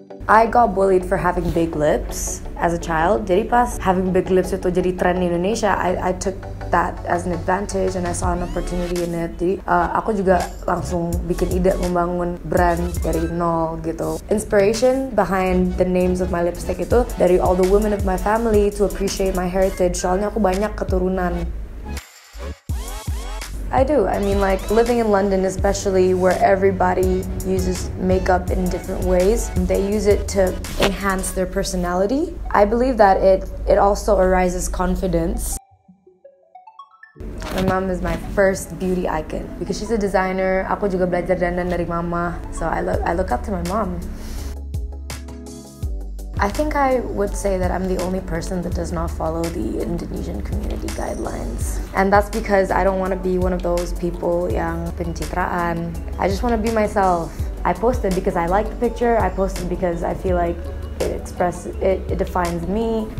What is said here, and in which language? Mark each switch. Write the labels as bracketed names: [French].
[English] I got bullied for having big lips as a child. [Indonesian] Jadi pas [English] having big lips [Indonesian] itu jadi tren di Indonesia, [English] I took that as an advantage and I saw an opportunity in it. [Indonesian] Jadi aku juga langsung bikin ide membangun brand dari nol gitu. [English] Inspiration behind the names of my lipstick [Indonesian] itu dari [English] all the women of my family to appreciate my heritage. [Indonesian] Soalnya aku banyak keturunan. [English] I do. I mean, like living in London, especially where everybody uses makeup in different ways, they use it to enhance their personality. I believe that it also arises confidence. My mom is my first beauty icon because she's a designer. [Indonesian] Aku juga belajar dandan dari mama, [English] so I look up to my mom. I think I would say that I'm the only person that does not follow the Indonesian community guidelines. And that's because I don't want to be one of those people [Indonesian] yang pencitraan. [English] I just want to be myself. I posted because I like the picture. I posted because I feel like it defines me.